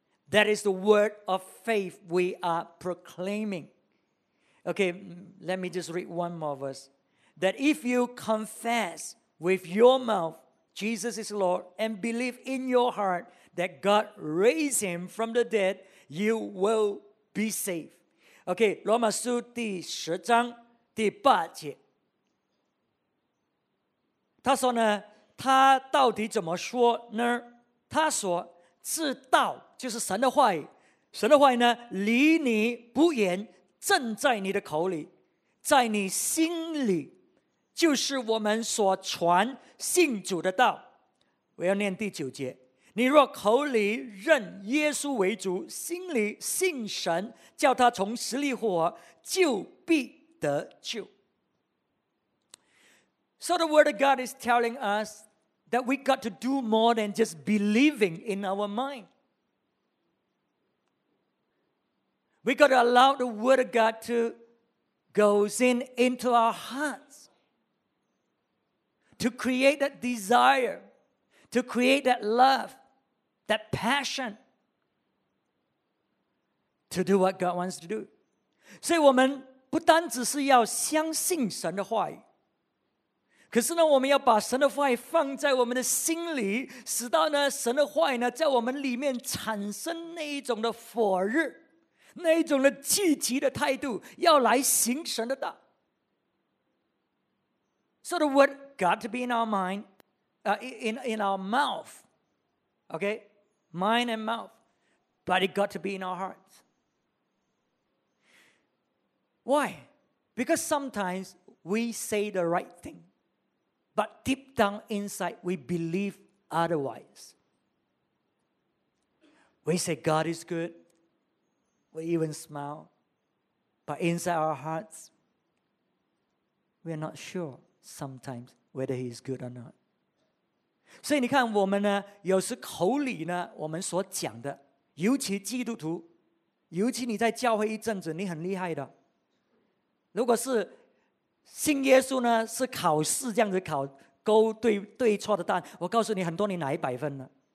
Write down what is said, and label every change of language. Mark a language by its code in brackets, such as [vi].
[en] That is the word of faith we are proclaiming. Okay, let me just read one more verse. That if you confess with your mouth Jesus is Lord and believe in your heart that God raised him from the dead, you will be saved. [zh] OK, 罗马书第十章第八节。他说呢，他到底怎么说呢？他说，知道就是神的话语，神的话语呢，离你不远，正在你的口里，在你心里，就是我们所传信主的道。我要念第九节。你若口里认耶稣为主，心里信神，叫他从死里复活，就必得救。 [en] So the word of God is telling us that we got to do more than just believing in our mind. We got to allow the word of God to go into our hearts to create that desire, to create that love, that passion to do what God wants to do. [zh] 所以我们不单只是要相信神的话语，可是呢，我们要把神的话语放在我们的心里，使到呢，神的话语呢，在我们里面产生那一种的火热，那一种的积极的态度，要来行神的道。 [en] So the word got to be in our mind, in our mouth, okay? Mind and mouth, but it got to be in our hearts. Why? Because sometimes we say the right thing, but deep down inside we believe otherwise. We say God is good, we even smile, but inside our hearts, we are not sure sometimes whether He is good or not. [zh] 所以你看我们呢，有时口里呢，我们所讲的，尤其基督徒，尤其你在教会一阵子，你很厉害的。如果是信耶稣呢，是考试这样子考，勾对错的答案，我告诉你，很多你哪一百分呢？